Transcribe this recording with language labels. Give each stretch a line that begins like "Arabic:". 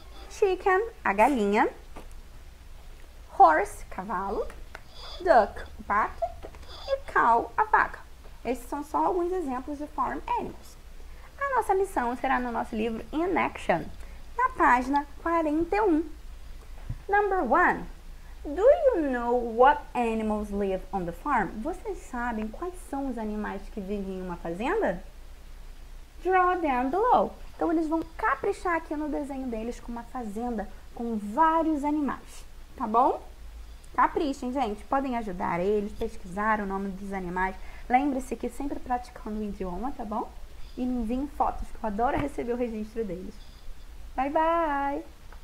Portuguese: Chicken, a galinha. Horse, cavalo. Duck, o pato. E cow, a vaca. Esses são só alguns exemplos de
English: farm animals.
Portuguese: A nossa missão será no nosso livro In Action, na página 41. Number 1.
English: Do you know what animals live on the farm?
Portuguese: Vocês sabem quais são os animais que vivem em uma fazenda?
English: Draw down below.
Portuguese: Então eles vão caprichar aqui no desenho deles com uma fazenda com vários animais, tá bom? Caprichem, gente. Podem ajudar eles, pesquisar o nome dos animais. Lembre-se que sempre praticando o idioma, tá bom? E me enviem fotos, que eu adoro receber o registro deles.
English: Bye, bye!